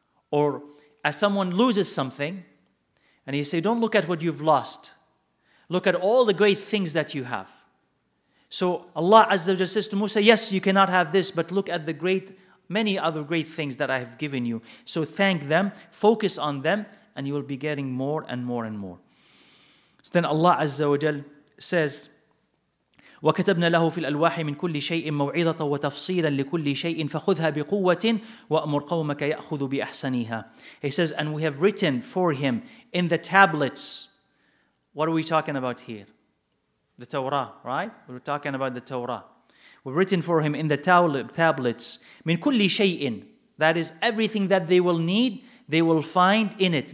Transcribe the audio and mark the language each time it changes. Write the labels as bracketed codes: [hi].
[en] Or as someone loses something and you say, don't look at what you've lost. Look at all the great things that you have. So Allah Azza wa Jalla says to Musa, yes, you cannot have this, but look at the great, many other great things that I have given you. So thank them, focus on them, and you will be getting more and more and more. So then Allah Azza wa Jalla says, [ar] وكتبنا له في الألواح من كل شيء موعظة وتفصيلا لكل شيء فخذها بقوة وأمر قومك يأخذوا بأحسنها. [en] He says, and we have written for him in the tablets. What are we talking about here? The Torah, right? We're talking about the Torah. We've written for him in the tablets. [ar] من كل شيء. [en] That is everything that they will need, they will find in it.